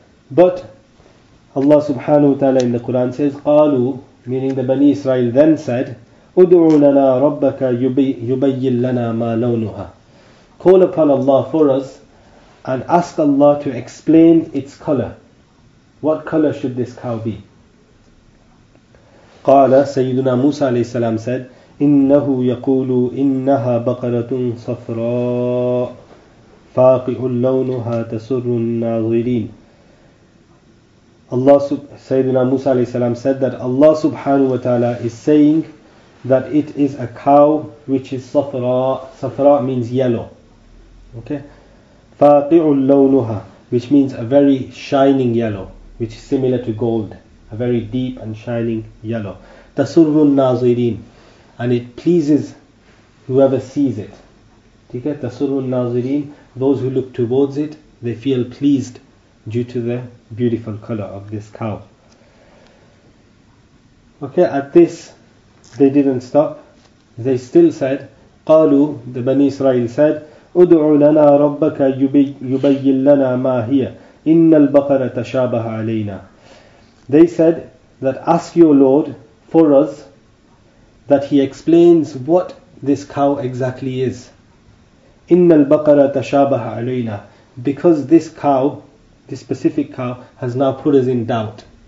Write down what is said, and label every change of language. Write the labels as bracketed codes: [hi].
[en] But Allah subhanahu wa ta'ala in the Quran says, قَالُوا, meaning the Bani Israel then said, [ar] أُدْعُوا لَنَا رَبَّكَ يُبَيِّن لَنَا مَا لَوْنُهَا, [en] call upon Allah for us and ask Allah to explain its color. What color should this cow be? [ar] قَالَ, [en] Sayyiduna Musa alayhi salam said, [ar] إِنَّهُ يَقُولُ إِنَّهَا بَقَرَةٌ صَفْرَاءٌ فَاقِعُ لَوْنُهَا تَسُرُّ النَّاظِرِينَ. [en] Allah, Sayyidina Musa alayhi salam said that Allah subhanahu wa ta'ala is saying that it is a cow which is safra. Safra means yellow. Okay? Faqi'ul lawnuha, which means a very shining yellow, which is similar to gold. A very deep and shining yellow. Tasurrun nazirin, and it pleases whoever sees it. Okay? Tasurrun nazirin, those who look towards it, they feel pleased due to the beautiful color of this cow. Okay, at this, they didn't stop. They still said, [ar] قَالُوا, [en] the Bani Israel said, [ar] أُدْعُ لَنَا رَبَّكَ يُبَيِّن لَنَا مَا هِيَ إِنَّ الْبَقَرَ تَشَابَهَ عَلَيْنَا. [en] They said that ask your Lord for us that he explains what this cow exactly is. [ar] إِنَّ الْبَقَرَ تَشَابَهَ عَلَيْنَا, [en] because this cow, this specific cow, has now put us in doubt.